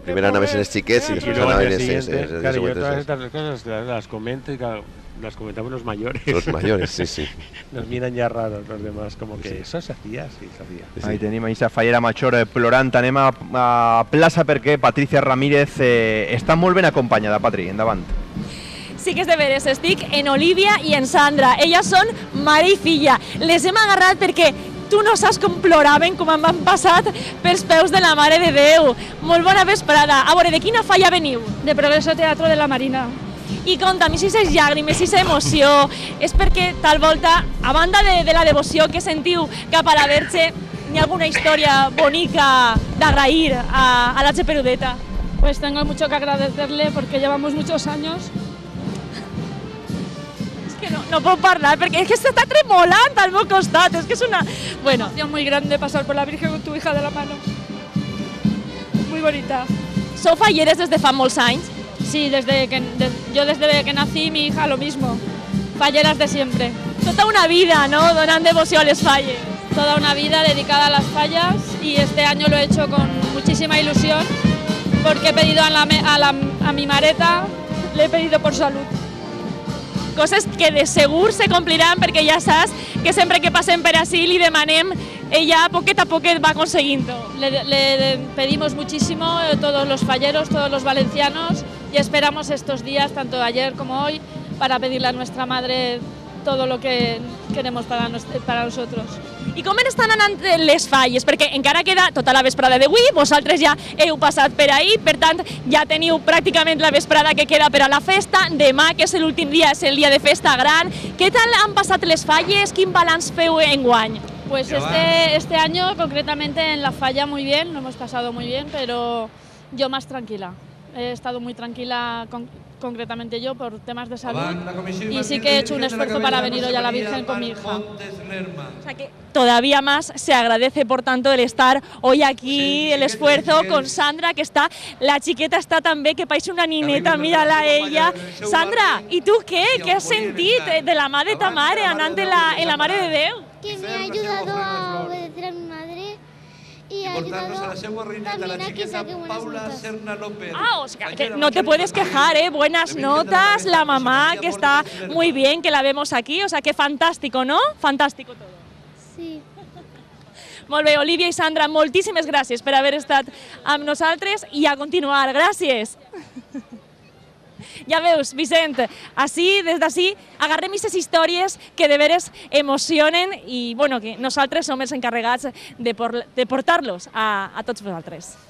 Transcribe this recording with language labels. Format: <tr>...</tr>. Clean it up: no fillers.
<ca>Primera anaves en els xiquets i després anaven en els desfilaments. Claro, jo totes aquestes coses les comento i que...</ca> <es>Las comentamos los mayores. Los mayores, sí, sí. Nos miran ya raros los demás, como que sí. Eso se hacía, sí, se hacía. Sí, sí. Ahí tenemos esa fallera mayor plorante,</es> <ca>anem</ca> <es>a plaza, porque Patricia Ramírez está muy bien acompañada, Patri,</es> <ca>endavant. Sí que és de veres, estic en Olivia i en Sandra. Elles són mare i filla. Les hem agarrat perquè tu no saps com ploraven, com em van passat pels peus de la Mare de Déu. Molt bona vesprada. A veure, de quina falla veniu? De Progreso Teatro de la Marina. I conta'm, si és llàgrimes, si és emoció, és perquè tal volta, a banda de la devoció que sentiu cap a la Verge, n'hi ha alguna història bonica d'agrair a la Xeperudeta?</ca> <es>Pues tengo mucho que agradecerle porque llevamos muchos años. Es que no puedo parlar,</es> <ca>perquè</ca> <es>es que se está</es> <ca>tremolant al meu costat,</ca> <es>es que es una... Bueno, una emoción muy grande pasar por la Virgen con tu hija de la mano. Muy bonita.</es> <ca>Sou falleres des de fa molts anys.</ca> <es>Sí, desde que nací, mi hija lo mismo. Falleras de siempre. Toda una vida, ¿no?</es> <ca>Donant devoció a les falles.</ca> <es>Toda una vida dedicada a las fallas y este año lo he hecho con muchísima ilusión porque he pedido a mi mareta, le he pedido por salud.</es> <ca>Coses que de segur se complirán perquè ja saps que sempre que passem per ací li demanem, ella poquet a poquet va aconseguint.</ca> <es>Le pedimos muchísimo a todos los falleros, todos los valencianos, y esperamos estos días, tanto ayer como hoy, para pedirle a nuestra madre todo lo que queremos para nosotros.</es> <ca>I com estan anant les falles? Perquè encara queda tota la vesprada d'avui, vosaltres ja heu passat per ahir, per tant, ja teniu pràcticament la vesprada que queda per a la festa. Demà, que és l'últim dia, és el dia de festa gran. Què tal han passat les falles? Quin balanç feu enguany?</ca> <es>Pues este año, concretamente en la falla, muy bien, lo hemos pasado muy bien, pero yo más tranquila. He estado muy tranquila, concretamente yo, por temas de salud. Y sí que he hecho un esfuerzo para venir hoy a la Virgen con mi hija. O sea que todavía más se agradece, por tanto, el estar hoy aquí, el esfuerzo con Sandra, que está... La chiqueta está también, que parece una nineta, mírala ella. Sandra, ¿y tú qué? ¿Qué has sentido de la madre de tu madre, andando en la Mare de Déu? Que me ha ayudado a obedecer a mi madre y ha ayudado a</es> <ca>la seua reina,</ca> <es>de la chiqueta Paula Serna López. Ah, o sea, que no te puedes quejar, buenas notas, la mamá que está muy bien, que la vemos aquí, o sea, que fantástico, ¿no? Fantástico todo. Sí.</es> <ca>Molt bé, Olivia i Sandra, moltíssimes gràcies per haver estat amb nosaltres i a continuar, gràcies. Ja veus, Vicent, així, des d'ací, agarrem aquestes històries que de veres emocionen i, bueno, que nosaltres som els encarregats de portar-los a tots vosaltres.</ca>